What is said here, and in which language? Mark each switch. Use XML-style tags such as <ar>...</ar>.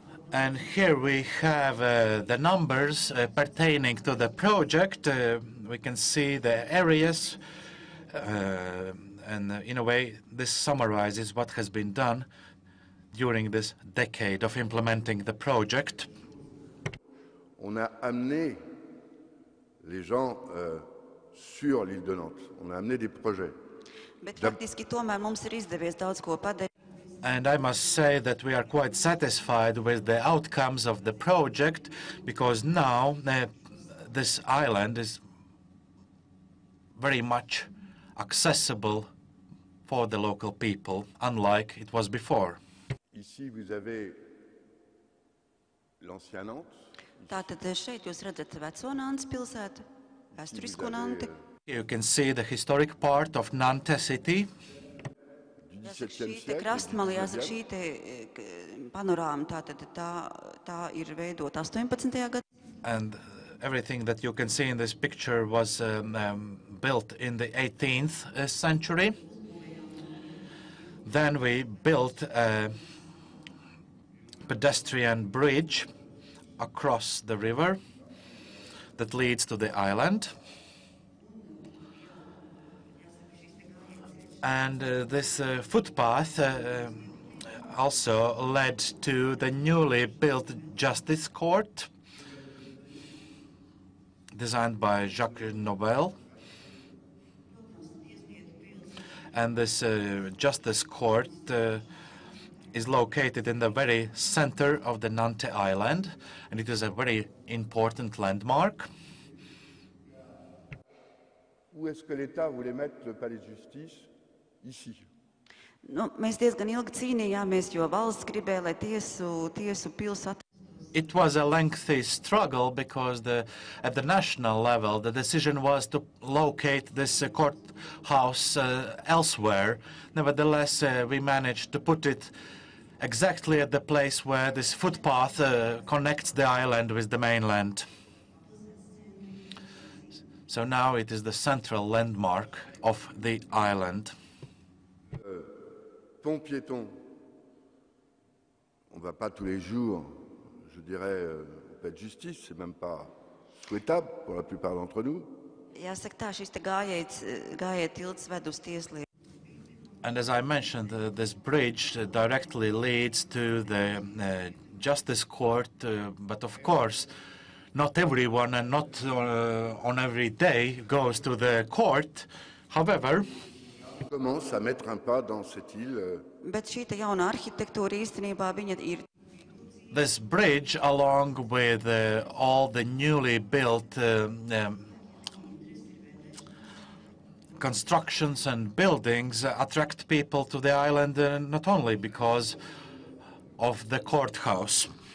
<en>And here we have the numbers pertaining to the project. We can see the areas, and in a way, this summarizes what has been done during this decade of implementing the project.</en> <fr>On a amené les gens sur l'île de Nantes. On a amené des projets.</fr> <lv>Bet faktiski tomēr mums ir izdevies daudz ko padarīt.</lv> <en>And I must say that we are quite satisfied with the outcomes of the project, because now this island is very much accessible for the local people, unlike it was before.</en> <fr>Ici vous avez l'ancien Nantes.</fr> <lv>Tātad šeit jūs redzat veco Nantes pilsētu, vēsturisko Nanti.</lv> <en>You can see the historic part of Nantes city.</en> <lv>Šī te krastmali, jāsaka, šī te panorāma, tātad tā ir veidota 18. Gadā.</lv> <en>And everything that you can see in this picture was built in the 18th century. Then we built a pedestrian bridge across the river that leads to the island. And this footpath also led to the newly built justice court designed by Jacques Nobel. And this justice court is located in the very center of the Nantes Island, and it is a very important landmark.</en> <fr>Où est-ce que l'État voulait mettre le palais de justice? Ici.</fr> <lv>Nu, mēs diezgan ilgi cīnījāmies, jo valsts gribēja, lai tiesu pilsat.</lv> <en>It was a lengthy struggle because at the national level the decision was to locate this courthouse elsewhere. Nevertheless, we managed to put it exactly at the place where this footpath connects the island with the mainland. So now it is the central landmark of the island.</en> <fr>Pont piéton, on ne va pas tous les jours, je dirais, au palais de justice, c'est même pas souhaitable pour la plupart d'entre nous.</fr> <en>And as I mentioned, this bridge directly leads to the justice court, but of course, not everyone and not on every day goes to the court. However,</en> <fr>on commence à mettre un pas dans cette île.</fr> <lv>Bet šī te jauna arhitektūra īstenībā viņa ir.</lv> <en>This bridge, along with all the newly built constructions and buildings, attract people to the island not only because of the courthouse.</en>